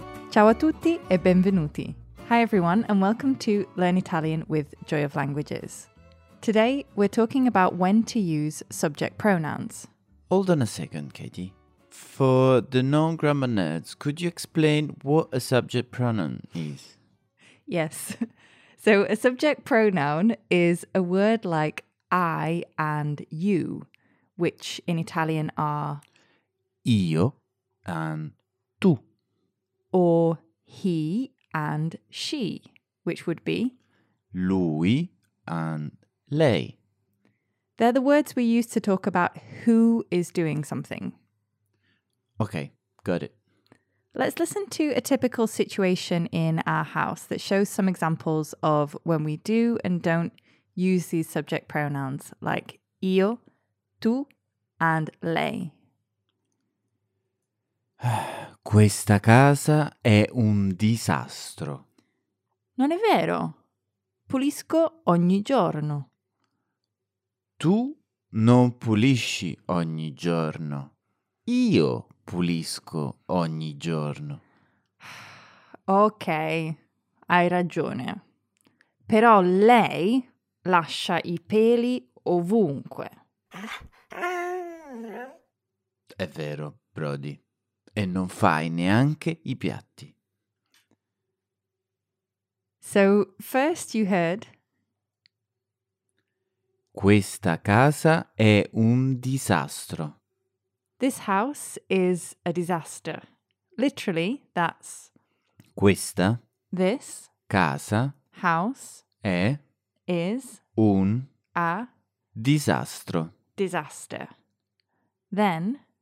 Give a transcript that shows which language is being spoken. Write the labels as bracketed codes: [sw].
[it] Ciao a tutti e benvenuti. [en] Hi everyone and welcome to Learn Italian with Joy of Languages. Today, we're talking about when to use subject pronouns. Hold on a second, Katie. For the non-grammar nerds, could you explain what a subject pronoun is? Yes. So a subject pronoun is a word like I and you, which in Italian are [it] io and tu. [en] Or he and she, which would be [it] lui and lei. [en] They're the words we use to talk about who is doing something. Okay, got it. Let's listen to a typical situation in our house that shows some examples of when we do and don't use these subject pronouns like io, tu, and lei. [it] Questa casa è un disastro. Non è vero. Pulisco ogni giorno. Tu non pulisci ogni giorno. Io pulisco ogni giorno. Ok, hai ragione. Però lei lascia i peli ovunque. È vero, Brody. E non fai neanche i piatti. [en] So, first you heard... [it] Questa casa è un disastro. [en] This house is a disaster. Literally, that's... [it] Questa... [en] This... [it] Casa... [en] House... [it] È... [en] Is... [it] Un... [en] A... [it] Disastro. [en] Disaster. Then...